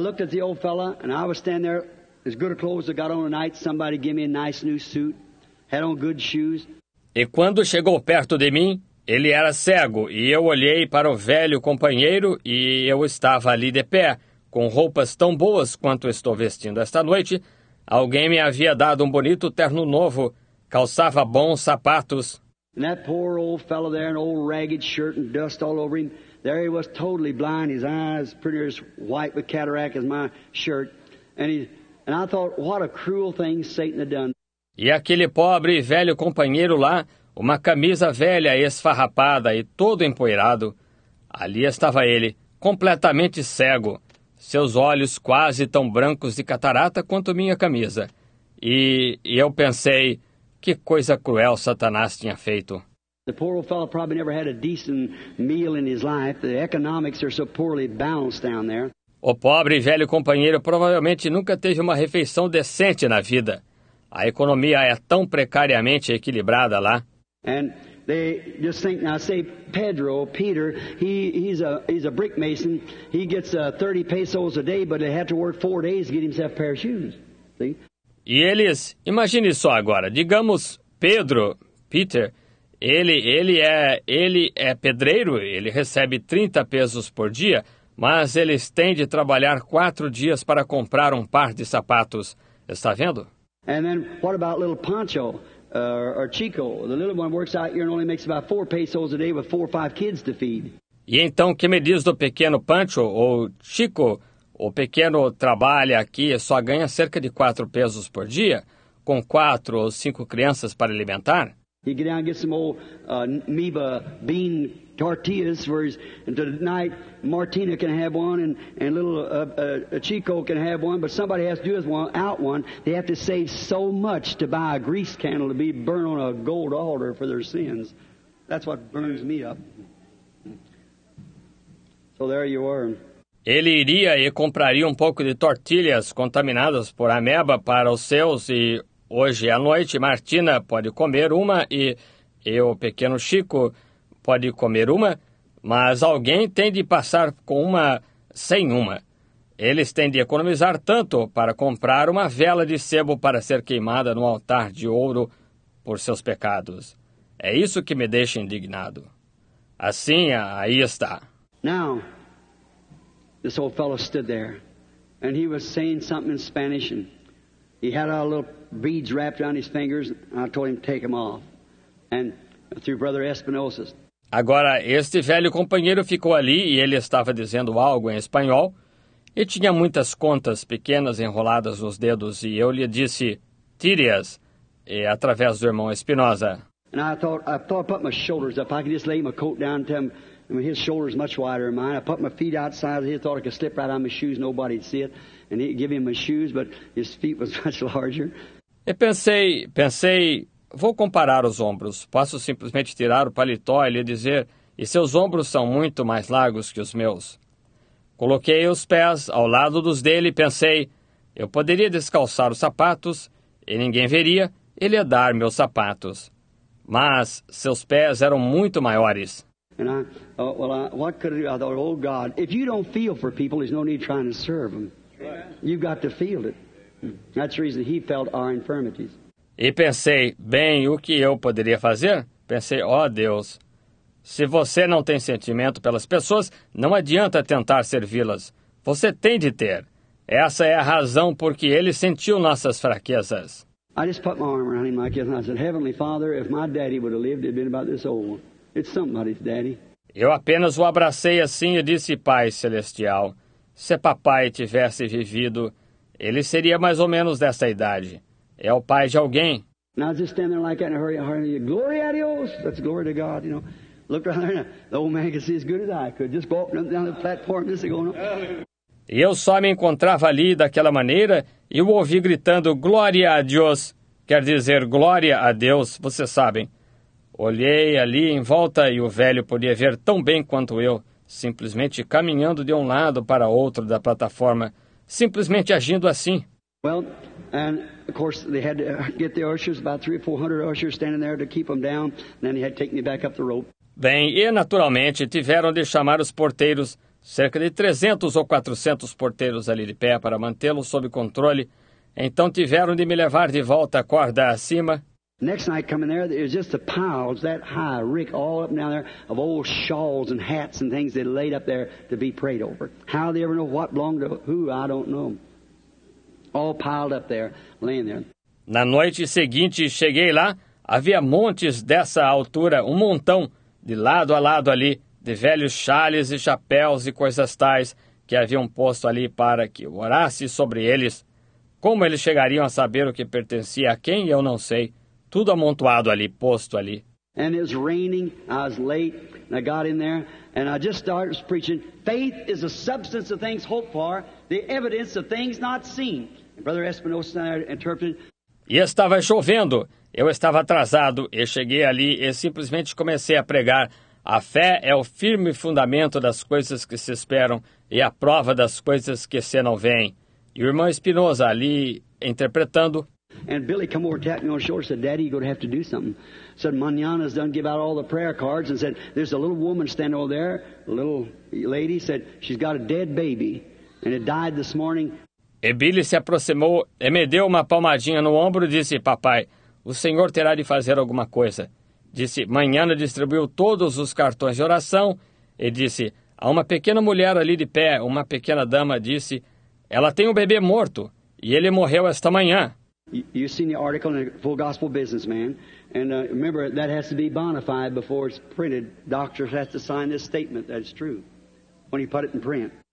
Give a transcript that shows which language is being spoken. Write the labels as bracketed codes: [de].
[pt] E eu olhei para o velho, e eu estava [en] standing there, as good a clothes as I got on tonight, somebody gave me a nice new suit, had on good shoes. [pt] E quando chegou perto de mim, ele era cego, e eu olhei para o velho companheiro, e eu estava ali de pé, com roupas tão boas quanto estou vestindo esta noite. Alguém me havia dado um bonito terno novo, calçava bons sapatos. [en] And that poor old fellow there, an old ragged shirt and dust all over him, there he was totally blind, his eyes pretty as white with cataract as my shirt. And I thought, what a cruel thing Satan had done. [pt] E aquele pobre e velho companheiro lá, uma camisa velha, esfarrapada e todo empoeirado. Ali estava ele, completamente cego, seus olhos quase tão brancos de catarata quanto minha camisa. E eu pensei, Que coisa cruel Satanás tinha feito. [en] The poor old fellow probably never had a decent meal in his life. The economics are so poorly balanced down there. [pt] O pobre e velho companheiro provavelmente nunca teve uma refeição decente na vida. A economia é tão precariamente equilibrada lá. [en] And they just think, now say Pedro, Peter, he's a brick mason. He gets 30 pesos a day, but he had to work 4 days to get himself a pair of shoes. See? [pt] E eles, imagine só agora, digamos Pedro, Peter, ele é pedreiro, ele recebe 30 pesos por dia, mas eles têm de trabalhar 4 dias para comprar um par de sapatos. Está vendo? [en] And then what about little Pancho or Chico? The little one works out here and only makes about 4 pesos a day with 4 or 5 kids to feed. [pt] E então que me diz do pequeno Pancho ou Chico? O pequeno trabalha aqui e só ganha cerca de 4 pesos por dia, com 4 ou 5 crianças para alimentar. [en] He get down and get some old Miba bean tortillas for his, and tonight Martina can have one and little Chico can have one, but somebody has to do one. They have to save so much to buy a grease candle to be burned on a gold altar for their sins. That's what burns me up. So there you are. [pt] Ele iria e compraria um pouco de tortilhas contaminadas por ameba para os seus e hoje à noite Martina pode comer uma e o pequeno Chico pode comer uma, mas alguém tem de passar com uma sem uma. Eles têm de economizar tanto para comprar uma vela de sebo para ser queimada no altar de ouro por seus pecados. É isso que me deixa indignado. Assim, aí está. Não. [en] This old fellow stood there, and he was saying something in Spanish, and he had all little beads wrapped around his fingers, and I told him to take them off, and through Brother Espinosa. [pt] Agora, este velho companheiro ficou ali, e ele estava dizendo algo em espanhol, e tinha muitas contas pequenas enroladas nos dedos, e eu lhe disse, tire-as, e através do irmão Espinosa. [en] And I thought I put my shoulders up, I could just lay my coat down to him. I mean, his shoulders much wider than mine. I put my feet outside. He thought I could slip right on my shoes. Nobody'd see it. And he'd give him my shoes, but his feet was much larger. [pt] E pensei, vou comparar os ombros. Posso simplesmente tirar o paletó e lhe dizer, e seus ombros são muito mais largos que os meus. Coloquei os pés ao lado dos dele e pensei, eu poderia descalçar os sapatos e ninguém veria. Ele ia dar meus sapatos. Mas seus pés eram muito maiores. [en] And what could I do? I thought, oh God, if you don't feel for people, there's no need trying to serve them. You've got to feel it. That's the reason he felt our infirmities. [pt] E pensei, bem, o que eu poderia fazer? Pensei, ó Deus, se você não tem sentimento pelas pessoas, não adianta tentar servi-las. Você tem de ter. Essa é a razão por que ele sentiu nossas fraquezas. [en] I just put my arm around him like this, and I said, Heavenly Father, if my daddy would have lived, it'd been about this old one. It's somebody's daddy. [pt] Eu apenas o abracei assim e disse, Pai Celestial, se papai tivesse vivido, ele seria mais ou menos dessa idade. É o pai de alguém. [en] Now just stand there like that in a hurry. Glory a Dios. That's glory to God, you know. Look around there. The old man can see as good as I could. Just go up and down the platform. Just go on. [pt] E eu só me encontrava ali daquela maneira e o ouvi gritando, Glória a Dios. Quer dizer, glória a Deus, vocês sabem. Olhei ali em volta e o velho podia ver tão bem quanto eu, simplesmente caminhando de um lado para outro da plataforma, simplesmente agindo assim. [en] Well, and of course they had to get the ushers, about 300 or 400 ushers standing there to keep them down, and then he had to take me back up the rope. [pt] Bem, e naturalmente tiveram de chamar os porteiros, cerca de 300 ou 400 porteiros ali de pé para mantê-los sob controle. Então tiveram de me levar de volta a corda acima. [en] Next night coming there, it was just the piles that high, Rick, all up and down there, of old shawls and hats and things they laid up there to be prayed over. How they ever know what belonged to who, I don't know. All piled up there, laying there. [pt] Na noite seguinte, cheguei lá, havia montes dessa altura, um montão, de lado a lado ali, de velhos chales e chapéus e coisas tais que haviam posto ali para que eu orasse sobre eles. Como eles chegariam a saber o que pertencia a quem, eu não sei. Tudo amontoado ali, posto ali. [en] And it was raining, I was late, and I got in there, and I just started preaching, faith is the substance of things hoped for, the evidence of things not seen. And Brother Espinosa interpreted. [pt] E estava chovendo, Eu estava atrasado e cheguei ali e simplesmente comecei a pregar. A fé é o firme fundamento das coisas que se esperam e a prova das coisas que se não veem. E o irmão Espinosa ali interpretando. [en] And Billy came over, tapped me on the shoulder, said, Daddy, you're going to have to do something. Said, Manana's done give out all the prayer cards and said, there's a little woman standing over there, a little lady, said, she's got a dead baby and it died this morning. [pt] E Billy se aproximou e me deu uma palmadinha no ombro e disse, papai, o senhor terá de fazer alguma coisa. Disse, Manana distribuiu todos os cartões de oração e disse, há uma pequena mulher ali de pé, uma pequena dama, disse, ela tem um bebê morto e ele morreu esta manhã. [en] You've seen the article in the Full Gospel Businessman, and remember, that has to be bona fide before it's printed. Doctors have to sign this statement that it's true when you put it in print.